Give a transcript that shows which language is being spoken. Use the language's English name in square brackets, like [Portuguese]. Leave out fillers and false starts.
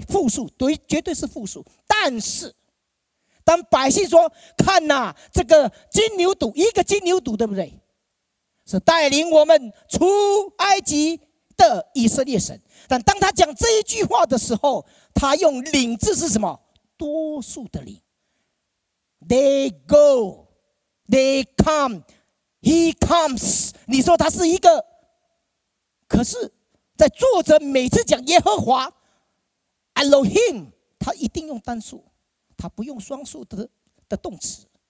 [Chinese] 复数对，绝对是复数，但是。当百姓说看啊，这个金牛犊，一个金牛犊对不对？是带领我们出埃及的以色列神。但当他讲这一句话的时候，他用领字是什么？多数的领。 [English] They go, they come, he comes。 [Chinese] 你说他是一个，可是在作者每次讲耶和华 Elohim， 他一定用单数，他不用双数 的动词。